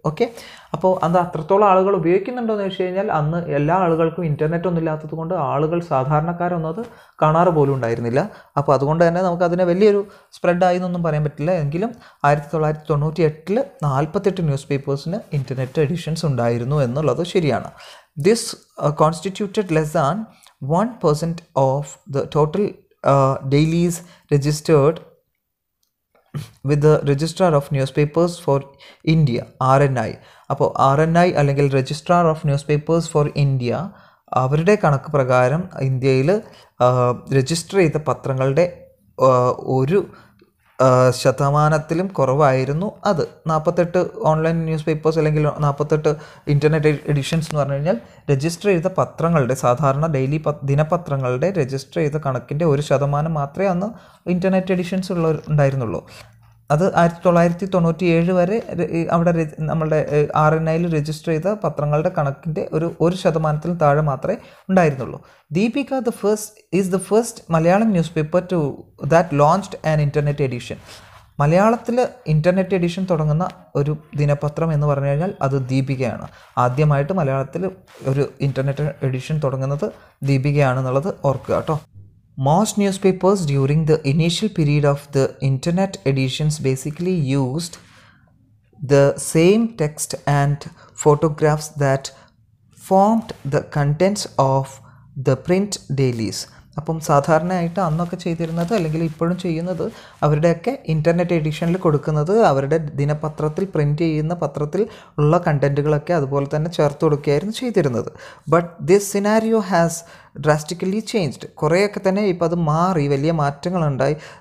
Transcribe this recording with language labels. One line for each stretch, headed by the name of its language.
Malayalam: Okay, അപ്പോൾ അത് അത്രത്തോളം ആളുകൾ ഉപയോഗിക്കുന്നുണ്ടോയെന്ന് വെച്ച് കഴിഞ്ഞാൽ അന്ന് എല്ലാ ആളുകൾക്കും ഇൻ്റർനെറ്റ് ഒന്നും ഇല്ലാത്തത് കൊണ്ട് ആളുകൾ സാധാരണക്കാരൊന്നും അത് കാണാറ് പോലും ഉണ്ടായിരുന്നില്ല. അപ്പോൾ അതുകൊണ്ട് തന്നെ നമുക്കതിനെ വലിയൊരു സ്പ്രെഡായി എന്നൊന്നും പറയാൻ പറ്റില്ല. എങ്കിലും 1998 48 ന്യൂസ് പേപ്പേഴ്സിന് ഇൻ്റർനെറ്റ് എഡിഷൻസ് ഉണ്ടായിരുന്നു എന്നുള്ളത് ശരിയാണ്.
English: This constituted less than 1% of the total dailies registered with the Registrar of Newspapers for India, RNI.
Malayalam: അപ്പോൾ RNI അല്ലെങ്കിൽ Registrar of Newspapers for India, അവരുടെ കണക്ക് പ്രകാരം ഇന്ത്യയിൽ രജിസ്റ്റർ ചെയ്ത പത്രങ്ങളുടെ 1% കുറവായിരുന്നു അത്. 48 ഓൺലൈൻ ന്യൂസ് പേപ്പേഴ്സ് അല്ലെങ്കിൽ 48 ഇൻ്റർനെറ്റ് എഡിഷൻസ് എന്ന് പറഞ്ഞു കഴിഞ്ഞാൽ രജിസ്റ്റർ ചെയ്ത പത്രങ്ങളുടെ, സാധാരണ ഡെയിലി ദിനപത്രങ്ങളുടെ രജിസ്റ്റർ ചെയ്ത കണക്കിൻ്റെ 1% മാത്രമേ അന്ന് ഇൻ്റർനെറ്റ് എഡിഷൻസ് ഉള്ള ഉണ്ടായിരുന്നുള്ളൂ. അത് 1997 വരെ അവിടെ നമ്മളുടെ RNI രജിസ്റ്റർ ചെയ്ത പത്രങ്ങളുടെ കണക്കിൻ്റെ 1% താഴെ മാത്രമേ ഉണ്ടായിരുന്നുള്ളൂ.
English: Deepika is the first Malayalam news paper to that launched an internet edition.
Malayalam: മലയാളത്തിൽ ഇൻ്റർനെറ്റ് എഡിഷൻ തുടങ്ങുന്ന ഒരു ദിനപത്രം എന്ന് പറഞ്ഞു കഴിഞ്ഞാൽ അത് ദീപികയാണ്. ആദ്യമായിട്ട് മലയാളത്തിൽ ഒരു ഇൻ്റർനെറ്റ് എഡിഷൻ തുടങ്ങുന്നത് ദീപികയാണെന്നുള്ളത് ഓർക്കുക കേട്ടോ.
English: Most newspapers during the initial period of the internet editions basically used the same text and photographs that formed the contents of the print dailies.
Malayalam: അപ്പം സാധാരണയായിട്ട് അന്നൊക്കെ ചെയ്തിരുന്നത് അല്ലെങ്കിൽ ഇപ്പോഴും ചെയ്യുന്നത് അവരുടെയൊക്കെ ഇൻ്റർനെറ്റ് എഡിഷനിൽ കൊടുക്കുന്നത് അവരുടെ ദിനപത്രത്തിൽ പ്രിൻ്റ് ചെയ്യുന്ന പത്രത്തിൽ ഉള്ള കണ്ടൻറ്റുകളൊക്കെ അതുപോലെ തന്നെ ചേർത്ത് കൊടുക്കുകയായിരുന്നു ചെയ്തിരുന്നത്.
English: But this scenario has drastically changed.
Malayalam: കുറേയൊക്കെ തന്നെ ഇപ്പോൾ അത് മാറി, വലിയ മാറ്റങ്ങളുണ്ടായി.